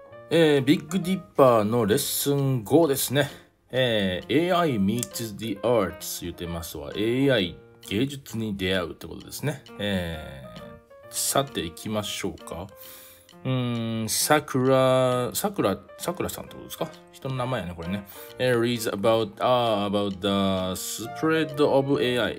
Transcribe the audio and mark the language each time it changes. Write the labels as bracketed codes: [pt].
[ja] ビッグディッパーのレッスン5ですね。 [en] AI meets the arts [ja] 言ってますわ。 AI 芸術に出会うってことですね。さて行きましょうか。さくらさんってことですか。人の名前やねこれね。 [en] Reads about the spread of AI。